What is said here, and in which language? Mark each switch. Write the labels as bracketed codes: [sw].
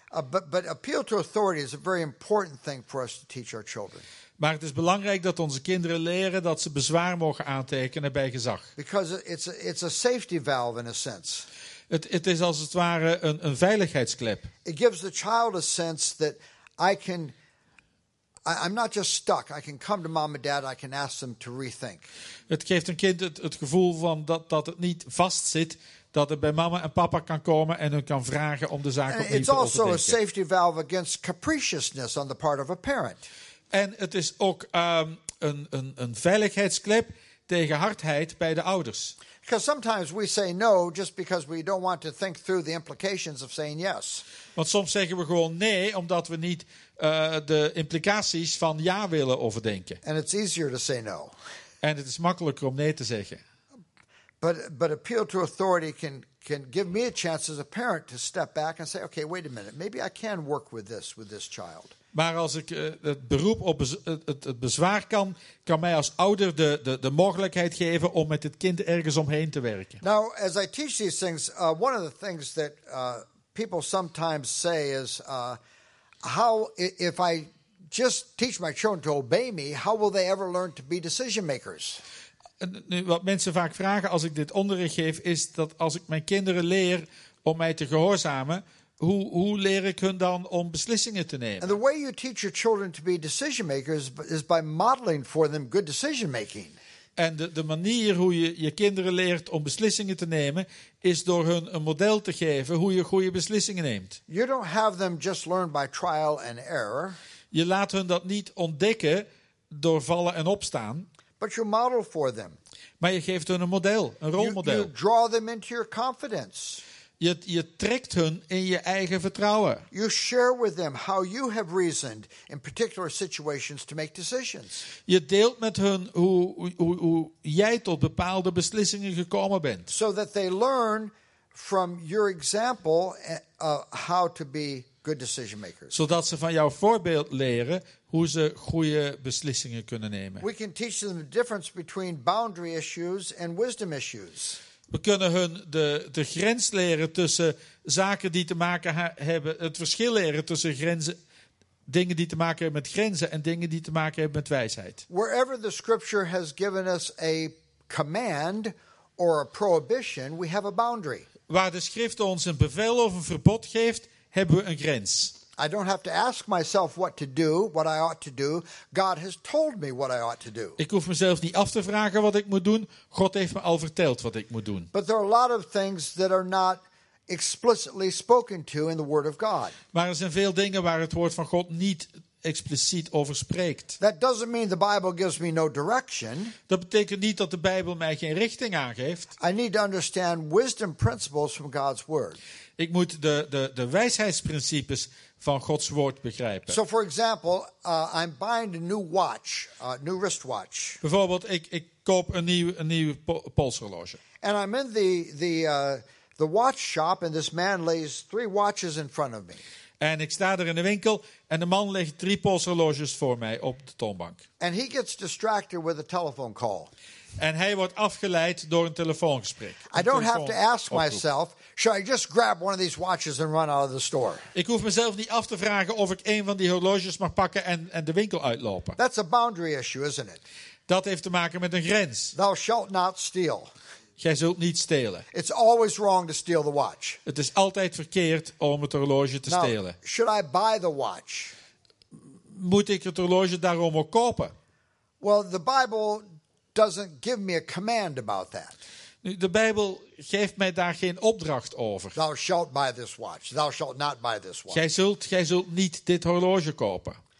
[en] But appeal to authority is a very important thing for us to teach our children. [nl] Maar het is belangrijk dat onze kinderen leren dat ze bezwaar mogen aantekenen bij gezag. [en] Because it's a safety valve in a sense. [nl] Het is als het ware een veiligheidsklep. [en] It gives the child a sense that I'm not just stuck. I can come to mom and dad. I can ask them to rethink. [nl] Het geeft een kind het gevoel van dat het niet vast zit, dat het bij mama en papa kan komen en hun kan vragen om de zaak opnieuw te overdenken. [en] It's also a safety valve against capriciousness on the part of a parent. [nl] En het is ook een veiligheidsklep tegen hardheid bij de ouders. [en] Because sometimes we say no just because we don't want to think through the implications of saying yes. [nl] Want soms zeggen we gewoon nee omdat we niet de implicaties van ja willen overdenken. [en] And it's easier to say no. [nl] En het is makkelijker om nee te zeggen. [en] But appeal to authority can give me a chance as a parent to step back and say, okay, wait a minute, maybe I can work with this child. [nl] Maar als ik het bezwaar kan mij als ouder de mogelijkheid geven om met het kind ergens omheen te werken. [en] Now, as I teach these things, one of the things that people sometimes say is, how if I just teach my children to obey me, how will they ever learn to be decision makers? [nl] Nu, wat mensen vaak vragen als ik dit onderricht geef, is dat als ik mijn kinderen leer om mij te gehoorzamen, hoe leer ik hun dan om beslissingen te nemen? [en] And the way you teach your children to be decision makers is by modeling for them good decision making. [nl] En de manier hoe je kinderen leert om beslissingen te nemen is door hun een model te geven hoe je goede beslissingen neemt. [en] You don't have them just learn by trial and error. [nl] Je laat hun dat niet ontdekken door vallen en opstaan. [en] But you model for them. [nl] Maar je geeft hun een model, een rolmodel. [en] You draw them into your confidence. [nl] Je trekt hun in je eigen vertrouwen. [en] You share with them how you have reasoned in particular situations to make decisions. [nl] Je deelt met hun hoe jij tot bepaalde beslissingen gekomen bent. [en] So that they learn from your example how to be good decision makers. [nl] Zodat ze van jouw voorbeeld leren hoe ze goede beslissingen kunnen nemen. [en] We can teach them the difference between boundary issues and wisdom issues. [nl] We kunnen hun de grens leren tussen zaken die te maken hebben, het verschil leren tussen grenzen, dingen die te maken hebben met grenzen en dingen die te maken hebben met wijsheid. [en] Wherever the scripture has given us a command or a prohibition, we have a boundary. [nl] Waar de schrift ons een bevel of een verbod geeft, hebben we een grens. [en] I don't have to ask myself what to do, what I ought to do. God has told me what I ought to do. [nl] Ik hoef mezelf niet af te vragen wat ik moet doen. God heeft me al verteld wat ik moet doen. [en] But there are a lot of things that are not explicitly spoken to in the Word of God. [nl] Maar er zijn veel dingen waar het woord van God niet expliciet over spreekt. [en] That doesn't mean the Bible gives me no direction. [nl] Dat betekent niet dat de Bijbel mij geen richting aangeeft. [en] I need to understand wisdom principles from God's word. [nl] Ik moet de wijsheidsprincipes van Gods woord begrijpen. [en] So for example, I'm buying a new watch, a new wristwatch. [nl] Bijvoorbeeld ik koop een nieuwe polshorloge. [en] And I'm in the watch shop and this man lays three watches in front of me. [nl] En ik sta er in de winkel en de man legt drie polshorloges voor mij op de toonbank. [en] And he gets distracted with a telephone call. [nl] En hij wordt afgeleid door een telefoongesprek. [en] I don't have to ask myself, should I just grab one of these watches and run out of the store? [nl] Ik hoef mezelf niet af te vragen of ik een van die horloges mag pakken en de winkel uitlopen. [en] That's a boundary issue, isn't it? [nl] Dat heeft te maken met een grens. [en] Thou shalt not steal. [nl] Jij zult niet stelen. [en] It's always wrong to steal the watch. [nl] Het is altijd verkeerd om het horloge te stelen. [en] Should I buy the watch? [nl] Moet ik het horloge daarom ook kopen? [en] Well, the Bible doesn't give me a command about that. [nl] Nu, de Bijbel geeft mij daar geen opdracht over. [en] Thou shalt buy this watch. Thou shalt not buy this watch. [nl] Jij zult niet dit horloge kopen.